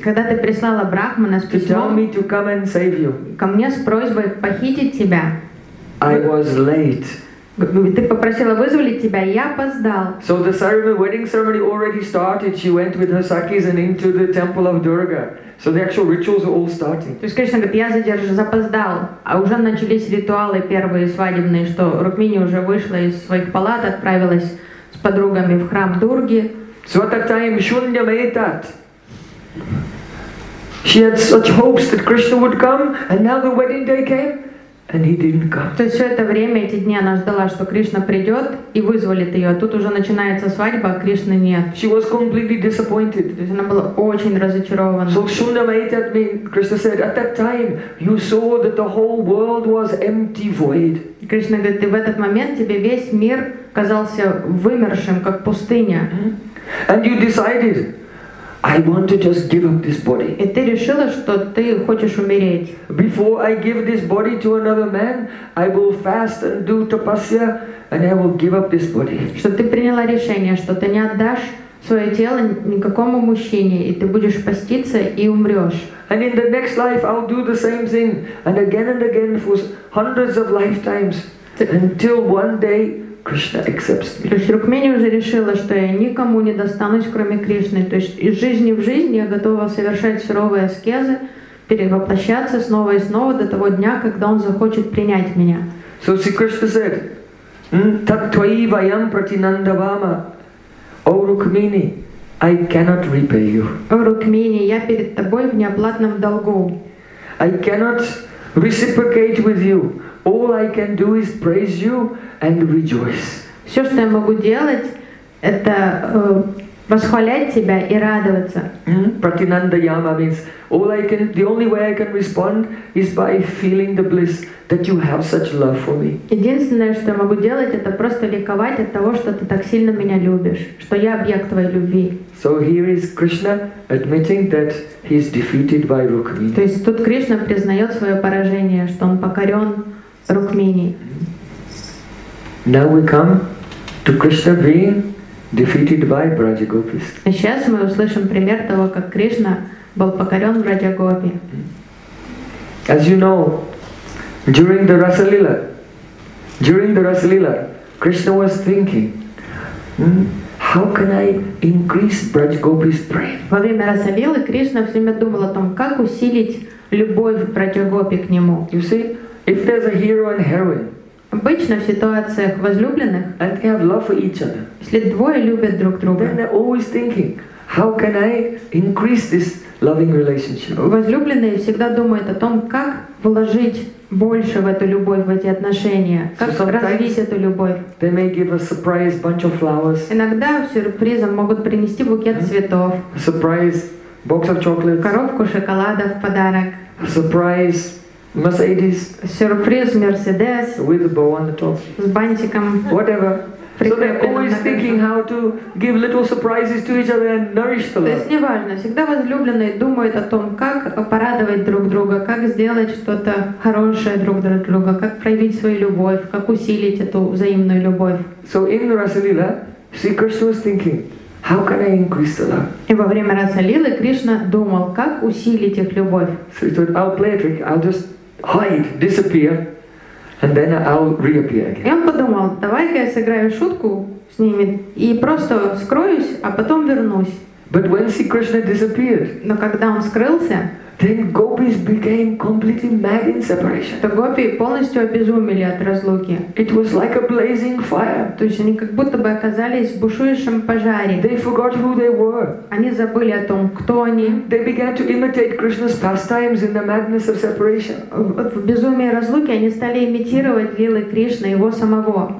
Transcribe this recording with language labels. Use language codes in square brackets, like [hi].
[ru] когда ты прислала Брахмана с письмом ко мне с просьбой похитить тебя, [en] I was late. [ru] Ты попросила вызволить тебя, я опоздал. [en] So the ceremony, wedding ceremony already started. She went with her sakis and into the temple of Durga. So the actual rituals are all starting. [ru] То есть Кришна говорит, я запоздал, а уже начались ритуалы первые свадебные, что Рукмини уже вышла из своих палат, отправилась с подругами в храм Дурги. [en] So at that time, Shunya made that. She had such hopes that Krishna would come, and now the wedding day came, and he didn't come. [ru] То есть все это время, эти дни она ждала, что Кришна придет и вызволит ее. А тут уже начинается свадьба, а Кришны нет. [en] She was completely disappointed. [ru] То есть она была очень разочарована. [en] So Shunya made that mean, Krishna said, at that time, you saw that the whole world was empty void. [ru] Кришна говорит, и в этот момент тебе весь мир казался вымершим, как пустыня. [en] And you decided, I want to just give up this body. [ru] И ты решила, что ты хочешь умереть. [en] Before I give this body to another man, I will fast and do tapasya, and I will give up this body. [ru] Что ты приняла решение, что ты не отдашь свое тело никакому мужчине, и ты будешь поститься и умрешь. [en] And in the next life, I'll do the same thing, and again for hundreds of lifetimes, until one day Krishna accepts me. [ru] То есть Рукмини уже решила, что я никому не достанусь, кроме Кришны. То есть из жизни в жизнь я готова совершать суровые аскезы, перевоплощаться снова и снова до того дня, когда он захочет принять меня. [en] So Sri Krishna said, [sa] "Таттвай ваям пратинандавама, О Рукмини, [en] I cannot repay you. [ru] О, Рукмини, я перед тобой в неоплатном долгу. [en] I cannot reciprocate with you. All I can do is praise you and rejoice. [ru] Все, что я могу делать, это восхвалять тебя и радоваться. [en] Pratinanda Yama means all I can, the only way I can respond is by feeling the bliss that you have such love for me. [ru] Единственное, что я могу делать, это просто ликовать от того, что ты так сильно меня любишь, что я объект твоей любви. [en] So here is Krishna admitting that he is defeated by Rukmini. [ru] То есть тут Кришна признает свое поражение, что он покорен Рукмини. [en] Now we come to Krishna being defeated by Braja Gopis. [ru] А сейчас мы услышим пример того, как Кришна был покорен Браджа Гопи. [en] As you know, during the Rasa Lila, Krishna was thinking, how can I increase Braja Gopi's prem? [ru] Во время Раса Лилы Кришна все время думал о том, как усилить любовь Браджа Гопи к нему. [en] You see, if there's a hero and heroine. [ru] Обычно в ситуациях возлюбленных, [en] and they have love for each other. [ru] Если двое любят друг друга, [en] then they're always thinking, how can I increase this loving relationship? [ru] Возлюбленные всегда думают о том, как вложить больше в эту любовь, в эти отношения, как so развить эту любовь. [en] They may give a surprise bunch of flowers. [ru] Иногда сюрпризом могут принести букет цветов. [en] A surprise box of chocolates. [ru] Коробку шоколада в подарок. [en] A surprise Mercedes. [ru] Сюрприз Mercedes. [en] With a bow on the top. [ru] С бантиком. [en] Whatever. So they're always thinking how to give little surprises to each other and nourish the love. [ru] То есть неважно, всегда возлюбленные думают о том, как порадовать друг друга, как сделать что-то хорошее друг для друга, как проявить свою любовь, как усилить эту взаимную любовь. [en] So in Rasa Lila, see, Krishna was thinking, how can I increase the love? [ru] И во время Раса Лилы Кришна думал, как усилить их любовь. [en] So he thought, I'll play a trick. I'll just hide, disappear. And then I'll reappear again. [ru] И он подумал, давай-ка я сыграю шутку с ними и просто скроюсь, а потом вернусь. [en] But when Sri Krishna disappeared, [ru] но когда он скрылся, [en] then gopis became completely mad in separation. [ru] То гопи полностью обезумели от разлуки. [en] It was like a blazing fire. [ru] То есть они как будто бы оказались в бушующем пожаре. [en] They forgot who they were. [ru] Они забыли о том, кто они. [en] They began to imitate Krishna's pastimes in the madness of separation. [ru] В безумии разлуки они стали имитировать лилы Кришны, его самого.